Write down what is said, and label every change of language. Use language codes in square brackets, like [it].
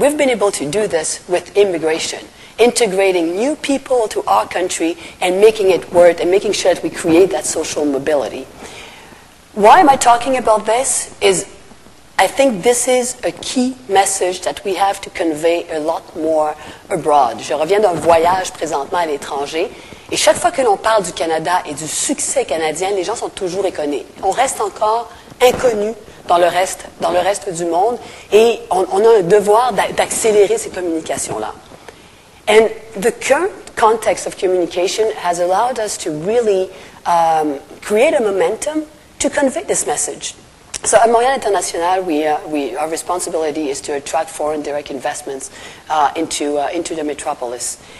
[en] We've been able to do this with immigration, integrating new people to our country and making it work and making sure that we create that social mobility. Why am I talking about this? Is I think this is a key message that we have to convey a lot more abroad. [fr] Je reviens d'un voyage présentement à l'étranger, et chaque fois que l'on parle du Canada et du succès canadien, les gens sont toujours étonnés. On reste encore inconnus dans le reste du monde, et on a un devoir d'accélérer ces communications-là. [en] And the current context of communication has allowed us to really create a momentum to convey this message. So at Montréal International, our responsibility is to attract foreign direct investments into the metropolis.